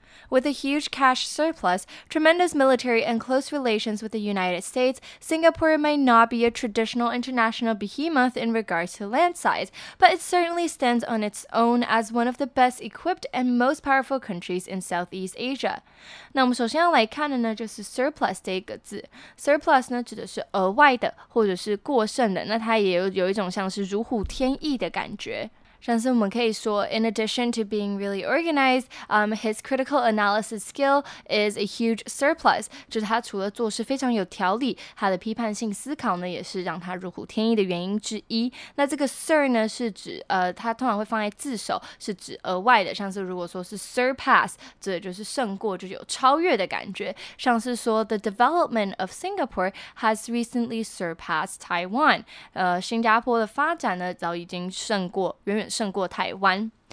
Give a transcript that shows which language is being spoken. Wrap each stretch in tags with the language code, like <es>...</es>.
<en>With a huge cash surplus, tremendous military and close relations with the United States, Singapore might not be a traditional international behemoth in regards to land size, but it certainly stands on its own as one of the best equipped and most powerful countries in Southeast Asia.</en> <zh>那我们首先要来看的呢，就是 surplus 这个字。 Surplus 呢，指的是额外的，或者是过剩的。那它也有一种像是如虎添翼的感觉。</zh> <en>像是我们可以说 in addition to being really organized, his critical analysis skill is a huge surplus.</en> <zh>就是他除了做事非常有条理，他的批判性思考呢也是让他如虎添翼的原因之一。那这个 sir 呢是指他通常会放在字首，是指额外的。像是如果说是 surpass, 指的就是胜过，就是有超越的感觉。</zh> <en>像是说 the development of Singapore has recently surpassed Taiwan.</en> <zh>新加坡的发展呢早已经胜过胜过台湾。</zh>